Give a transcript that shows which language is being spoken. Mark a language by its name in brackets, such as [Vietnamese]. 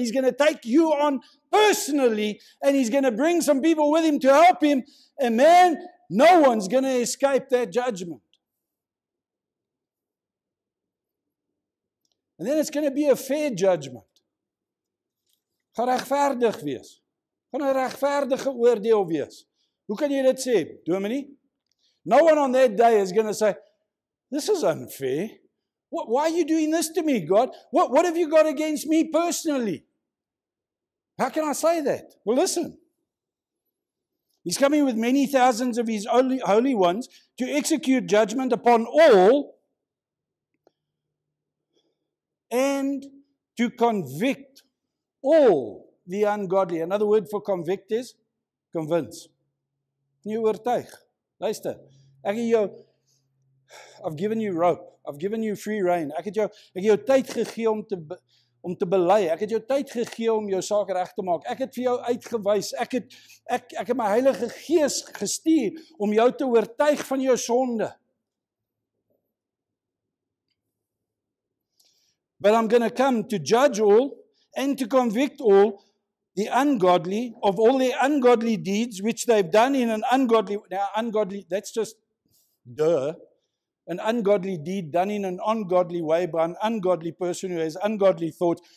[English] He's going to take you on personally, and he's going to bring some people with him to help him. And man, no one's going to escape that judgment. And then it's going to be a fair judgment. [Afrikaans] Gaan regverdig wees. Gaan 'n regverdige oordeel wees. Hoe kan jy dit sê, Dominie? [English] No one on that day is going to say, this is unfair. Why are you doing this to me, God? What have you got against me personally? How can I say that? Well, listen. He's coming with many thousands of his holy ones to execute judgment upon all and to convict all the ungodly. Another word for convict is convince. [Afrikaans] Nie oortuig. Luister, [English] I've given you rope. I've given you free rein. [Afrikaans] Ek het jou tyd gegee om te belei. Ek het jou tyd gegee om jou saak reg te maak. Ek het vir jou uitgewys. Ek het my Heilige Gees gestuur om jou te oortuig van jou sonde. [English] But I'm going to come to judge all and to convict all the ungodly of all the ungodly deeds which they've done in an ungodly way. Now, ungodly, that's just duh. An ungodly deed done in an ungodly way by an ungodly person who has ungodly thoughts.